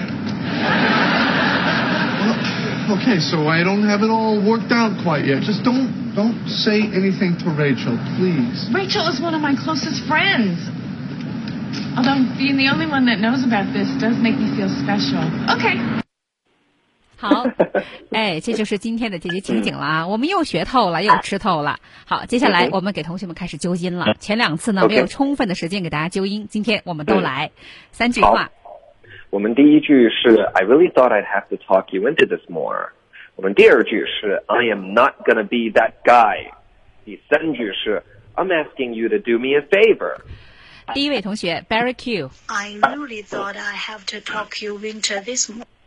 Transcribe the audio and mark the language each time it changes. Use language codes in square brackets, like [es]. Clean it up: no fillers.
[en] Well, okay, so I don't have it all worked out quite yet. Just don't say anything to Rachel, please. Rachel is one of my closest friends. Although being the only one that knows about this does make me feel special. Okay. [zh] 好，哎，这就是今天的这些情景了啊，我们又学透了，又吃透了。好，接下来我们给同学们开始纠音了。前两次呢，没有充分的时间给大家纠音，今天我们都来三句话。我们第一句是 [en] I really thought I'd have to talk you into this more。 [zh] 我们第二句是 [en] I am not gonna be that guy。 [zh] 第三句是 [en] I'm asking you to do me a favor。 [zh] 第一位同学 Barry Q。 [en] I really thought I have to talk you into this more。